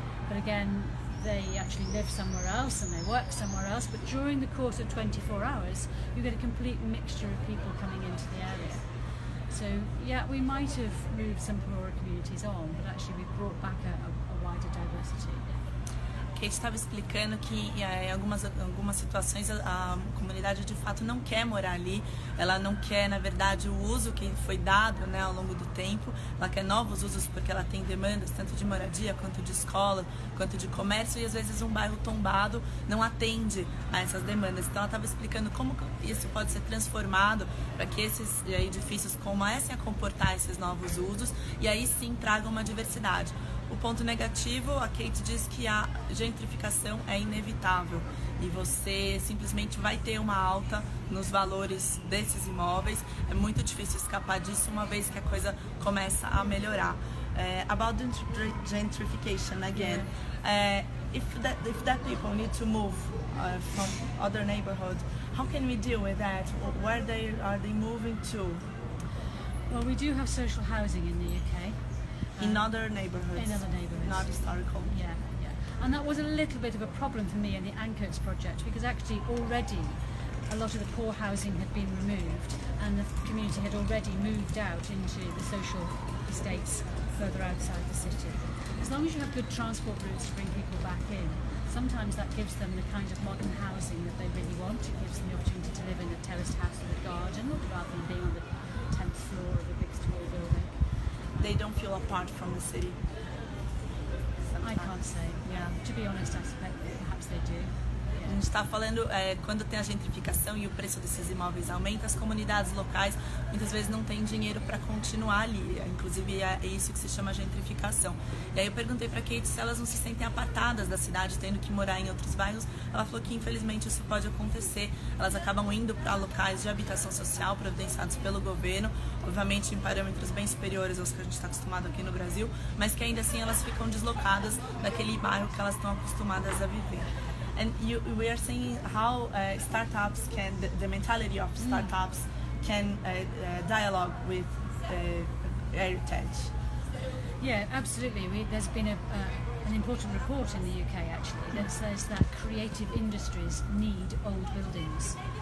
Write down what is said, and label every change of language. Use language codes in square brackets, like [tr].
[en] But again, they actually live somewhere else and they work somewhere else, but during the course of 24 hours, you get a complete mixture of people coming into the area. So yeah, we might have moved some poorer communities on, but actually we've brought back a wider diversity. [pt] Kate estava explicando que em algumas situações a comunidade de fato não quer morar ali, ela não quer, na verdade, o uso que foi dado, né, ao longo do tempo, ela quer novos usos porque ela tem demandas tanto de moradia quanto de escola, quanto de comércio, e às vezes um bairro tombado não atende a essas demandas. Então ela estava explicando como isso pode ser transformado para que esses edifícios comecem a comportar esses novos usos e aí sim tragam uma diversidade. O ponto negativo, a Kate diz que a gentrificação é inevitável e você simplesmente vai ter uma alta nos valores desses imóveis. É muito difícil escapar disso uma vez que a coisa começa a melhorar. [en] About the gentrification again, if that people need to move from other neighborhoods, how can we deal with that? Where they are they moving to? Well, we do have social housing in the UK. In other neighborhoods. Not historical. Yeah. And that was a little bit of a problem for me in the Ancoats project, because actually already a lot of the poor housing had been removed and the community had already moved out into the social estates further outside the city. As long as you have good transport routes to bring people back in, sometimes that gives them the kind of modern housing that they really want. It gives them the opportunity to live in a terraced house with a garden rather than being on the 10th floor of a big tall building. They don't feel apart from the city. Sometimes. I can't say. Yeah. To be honest, I suspect perhaps they do. [pt] A gente está falando, quando tem a gentrificação e o preço desses imóveis aumenta, as comunidades locais muitas vezes não têm dinheiro para continuar ali. Inclusive, é isso que se chama gentrificação. E aí eu perguntei para a Kate se elas não se sentem apartadas da cidade, tendo que morar em outros bairros. Ela falou que, infelizmente, isso pode acontecer. Elas acabam indo para locais de habitação social providenciados pelo governo, obviamente em parâmetros bem superiores aos que a gente está acostumado aqui no Brasil, mas que ainda assim elas ficam deslocadas daquele bairro que elas estão acostumadas a viver. [en] And we are saying how startups can, the mentality of startups can dialogue with heritage. Yeah, absolutely. There's been an important report in the UK, actually, that says that creative industries need old buildings.